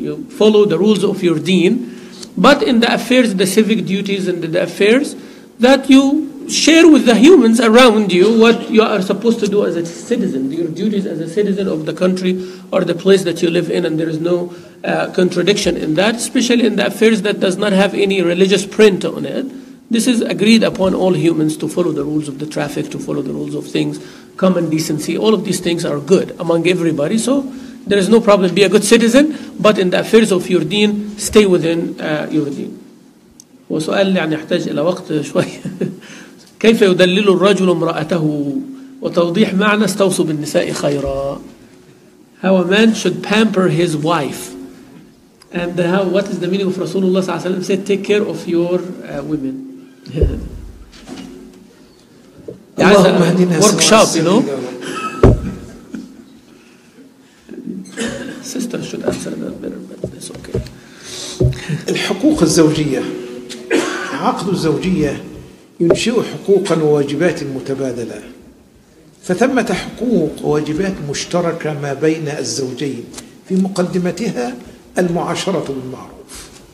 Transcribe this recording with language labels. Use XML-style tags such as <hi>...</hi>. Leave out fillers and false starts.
<en>You follow the rules of your deen. But in the affairs, the civic duties and the affairs, that you share with the humans around you what you are supposed to do as a citizen, your duties as a citizen of the country or the place that you live in, and there is no contradiction in that, especially in the affairs that does not have any religious print on it. This is agreed upon all humans to follow the rules of the traffic, to follow the rules of things, common decency. All of these things are good among everybody. So there is no problem. Be a good citizen. But in the affairs of your deen, stay within your deen.</en> <ar>وسؤال يعني يحتاج إلى وقت شوية. كيف يدلل الرجل امرأته وتوضيح معنى استوصوا بالنساء خيرا.</ar> <en>How a man should pamper his wife. And how, what is the meaning of Rasulullah صلى الله عليه وسلم said, take care of your women.</en> <ar>اللهم اهدنا</ar> <en>workshop, you know. Sister should answer that better, but it's okay.</en> <ar>الحقوق الزوجية, عقد الزوجية ينشئ حقوقا وواجبات متبادلة. فثمة حقوق وواجبات مشتركة ما بين الزوجين, في مقدمتها المعاشرة بالمعروف.</ar>